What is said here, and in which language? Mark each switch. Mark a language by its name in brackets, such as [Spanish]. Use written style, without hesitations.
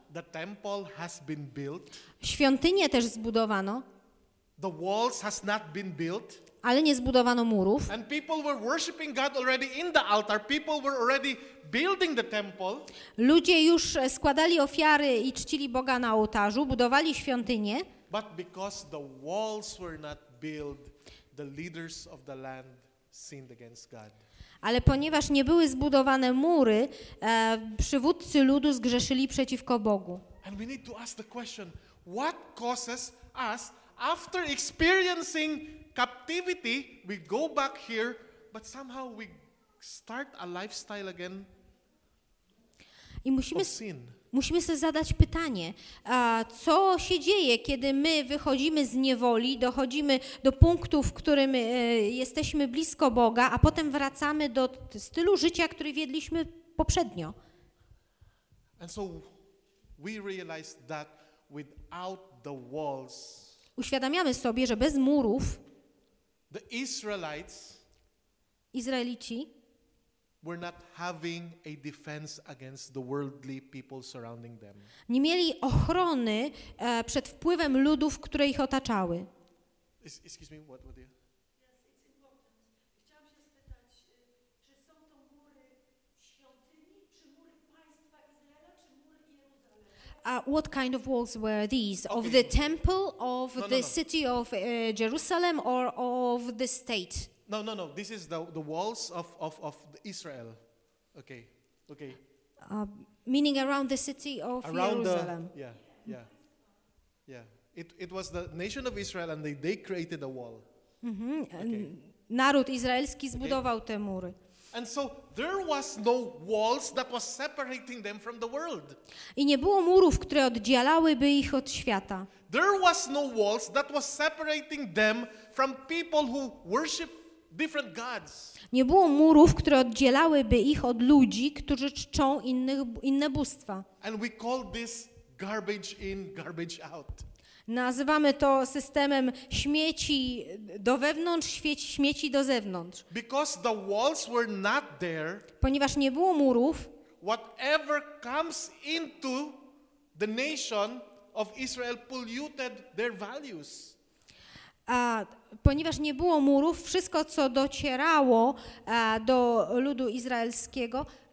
[English] The temple has been built. [Polish] Świątynię też zbudowano. [English] The walls has not been built. [Polish] Ale nie zbudowano murów. [English] And people were worshiping God already in the altar. People were already building the temple. [Polish] Ludzie już składali ofiary i czcili Boga na ołtarzu, budowali świątynię. [English] But because the walls were not built, the leaders of the land sinned against God. [Polish] Ale ponieważ nie były zbudowane mury, przywódcy ludu zgrzeszyli przeciwko Bogu. [English] And we need to ask the question, what causes us after experiencing captivity, we go back here, but somehow we start a lifestyle again. [Polish] I musimy sobie zadać pytanie, co się dzieje, kiedy my wychodzimy z niewoli, dochodzimy do punktu, w którym jesteśmy blisko Boga, a potem wracamy do stylu życia, który wiedliśmy poprzednio. [English] And so we realize that without the walls, [Polish] uświadamiamy sobie, że bez murów [English] the Israelites, [Polish] Izraelici, [English] were not having a defense against the worldly people surrounding them. [Polish] Nie mieli ochrony przed wpływem ludów, które ich otaczały. [English] Excuse me, what do you? What kind of walls were these? Okay. Of the temple, of city of Jerusalem, or of the state? No. This is the walls of Israel. Okay. Okay. Meaning around the city of around Jerusalem. Yeah. It was the nation of Israel, and they created a wall. Mm-hmm. Okay. [Polish] Naród izraelski zbudował te mury. [English] And so there was no walls that was separating them from the world. [Polish] I nie było murów, które oddzielałyby ich od świata. [English] There was no walls that was separating them from people who worship different gods. [Polish] Nie było murów, które oddzielałyby ich od ludzi, którzy czczą inne bóstwa. [English] And we call this garbage in, garbage out. [Polish] Nazywamy to systemem śmieci do wewnątrz, śmieci do zewnątrz. [English] Because the walls were not there, [Polish] ponieważ nie było murów, [English] whatever comes into the nation of Israel polluted their values. [Polish] A ponieważ nie było murów, wszystko, co docierało do ludu izraelskiego,